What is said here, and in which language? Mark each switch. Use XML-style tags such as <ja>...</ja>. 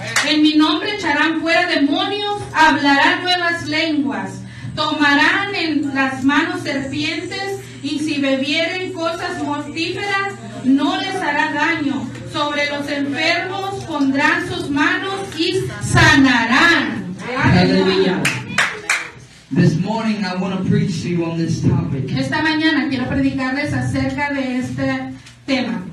<es>En mi nombre echarán fuera demonios, hablarán nuevas lenguas, tomarán en las manos serpientes, y si bebieren cosas mortíferas, no les hará daño. Sobre los enfermos pondrán sus manos y sanarán. Aleluya.</es> <en>This morning I want to preach to you on this topic.</en> <es>Esta mañana quiero predicarles acerca de este tema.</es>